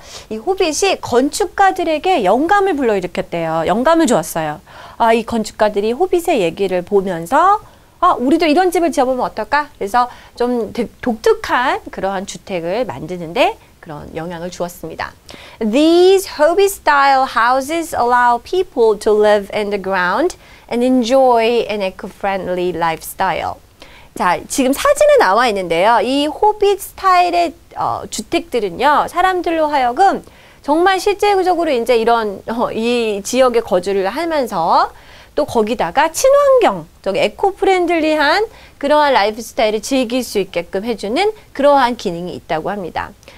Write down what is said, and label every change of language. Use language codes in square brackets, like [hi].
[ko] 이 호빗이 건축가들에게 영감을 불러일으켰대요. 영감을 주었어요. 아, 이 건축가들이 호빗의 얘기를 보면서 아, 우리도 이런 집을 지어보면 어떨까? 그래서 좀 독특한 그러한 주택을 만드는데 그런 영향을 주었습니다. [en] These Hobbit-style houses allow people to live in the ground and enjoy an eco-friendly lifestyle. [ko] 자, 지금 사진에 나와 있는데요. 이 호빗 스타일의 주택들은요, 사람들로 하여금 정말 실제적으로 이제 이런 이 지역에 거주를 하면서 또 거기다가 친환경, 에코프렌들리한 그러한 라이프스타일을 즐길 수 있게끔 해주는 그러한 기능이 있다고 합니다.